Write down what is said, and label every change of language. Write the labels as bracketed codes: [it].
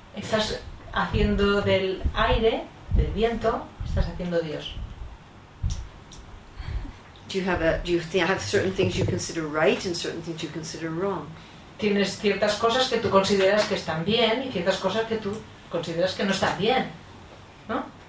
[es] Estás haciendo del aire, del viento, estás haciendo Dios. [en] Do you have certain things you consider right and certain things you consider wrong? [es] Tienes ciertas cosas que tú consideras que están bien y ciertas cosas que tú consideras que no están bien, ¿no?